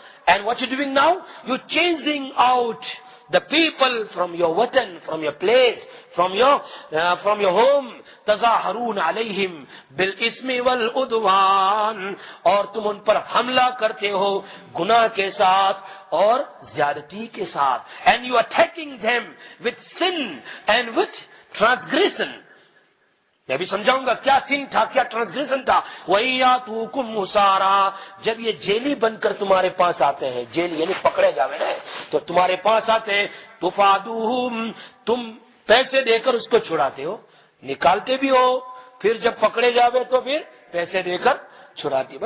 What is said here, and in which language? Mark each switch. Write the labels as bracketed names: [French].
[English] And what you're doing now? You're changing out the people from your watan, from your place, from your home. [Arabic] تظاہرون علیہم بالاسم والعدوان, [Urdu] اور تم ان پر حملہ کرتے ہو گناہ کے ساتھ اور زیادتی کے ساتھ. [English] And you are attacking them with sin and with transgression. [Urdu] میں بھی سمجھاؤں گا کیا سین تھا, کیا ٹرانسگریشن تھا. [Arabic] وَإِيَّاكُمْ مُسَارَا, [Urdu] جب یہ جیلی بن کر تمہارے پاس آتے ہیں, جیل یعنی پکڑے جاوے نا, تو تمہارے پاس آتے ہیں, تُفَادُوهُمْ, تم پیسے دے کر اس کو چھڑاتے ہو, نکالتے بھی ہو, پھر جب پکڑے جاوے تو پھر پیسے دے کر چھڑاتے.